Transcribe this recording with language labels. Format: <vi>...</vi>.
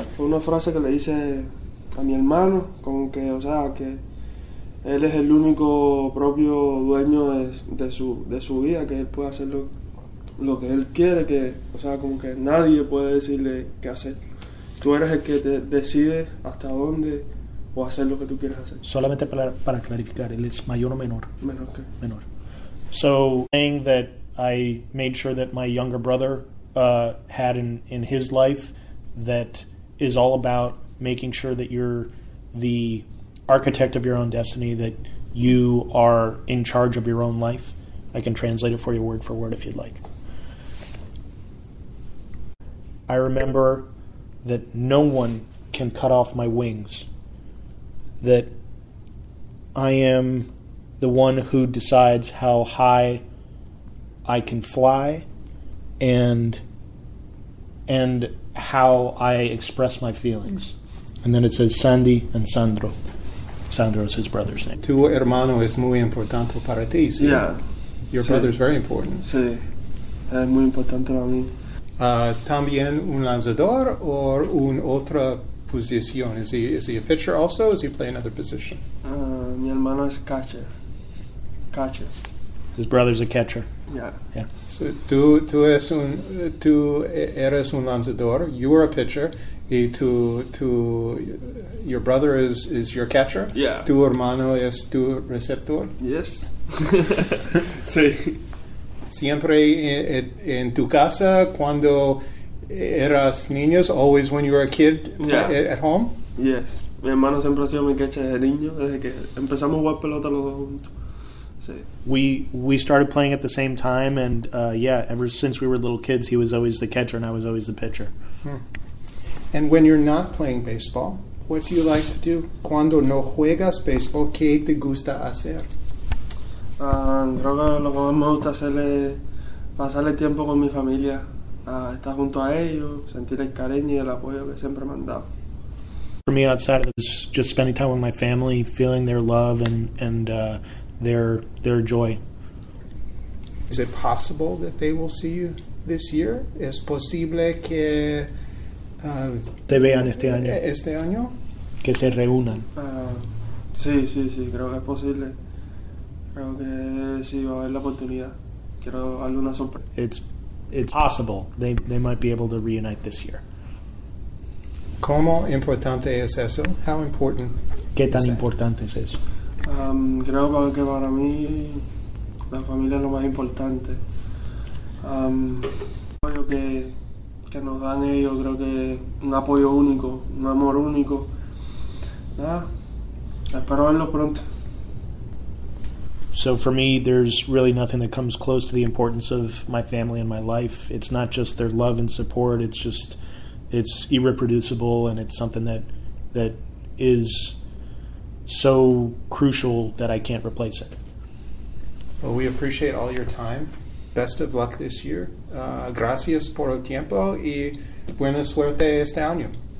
<es>Fue una frase que le hice a mi hermano, como que, o sea, que él es el único propio dueño de su vida, que él puede hacer lo que él quiere, que, o sea, como que nadie puede decirle qué hacer. Tú eres el que te decide hasta dónde o hacer lo que tú quieres hacer. Solamente para clarificar, ¿él es mayor o menor? Menor, ¿qué? Menor.</es> <en>So, saying that I made sure that my younger brother had in his life, that is all about making sure that you're the architect of your own destiny, that you are in charge of your own life. I can translate it for you word for word if you'd like. I remember that no one can cut off my wings, that I am the one who decides how high I can fly and how I express my feelings. And then it says Sandy and Sandro. Sandro is his brother's name.</en> <es>Tu hermano es muy importante para ti, ¿sí?</es> <en>Yeah. Your sí. Brother's very important.</en> <es>Sí. Es muy importante para mí. También un lanzador or un otra posición?</es> <en>Is he a pitcher also, or does he play another position?</en> <es>Mi hermano es catcher. Catcher.</es> <en>His brother's a catcher. Yeah. Yeah. So</en> <es>tú eres un lanzador.</es> <en>You are a pitcher.</en> <es>Y tú</es> <en>your brother is your catcher. Yeah.</en> <es>Tu hermano es tu receptor.</es> <en>Yes. Sí.</en> <es>Siempre en tu casa cuando eras niños.</es> <en>Always when you were a kid. Yeah. At home. Yes.</en> <es>Mi hermano siempre ha sido mi catcher desde niño, desde que empezamos a jugar pelota los dos juntos.</es> <en>We started playing at the same time, and yeah, ever since we were little kids, he was always the catcher and I was always the pitcher. Hmm. And when you're not playing baseball, what do you like to do?</en> <es>Cuando no juegas baseball, ¿qué te gusta hacer? Creo que lo que más me gusta hacer es pasar el tiempo con mi familia, estar junto a ellos, sentir el cariño y el apoyo que siempre me han dado.</es> <en>For me, outside of this, just spending time with my family, feeling their love and their joy. Is it possible that they will see you this year?</en> <es>¿Es posible que te vean este año? ¿Este año? Que se reúnan. Sí, creo que es posible. Creo que sí, va a haber la oportunidad. Quiero darle una sorpresa.</es> <en>It's possible. They might be able to reunite this year.</en> <es>¿Cómo importante es eso?</es> <en>How important?</en> <es>¿Qué tan importante es eso? Creo que para mí la familia es lo más importante. Creo que nos dan ellos, creo que un apoyo único, un amor único. Nada, espero verlos pronto.</es> <en>So for me, there's really nothing that comes close to the importance of my family and my life. It's not just their love and support, it's irreproducible, and it's something that is so crucial that I can't replace it. Well, we appreciate all your time. Best of luck this year.</en> <es>Gracias por el tiempo y buena suerte este año.</es>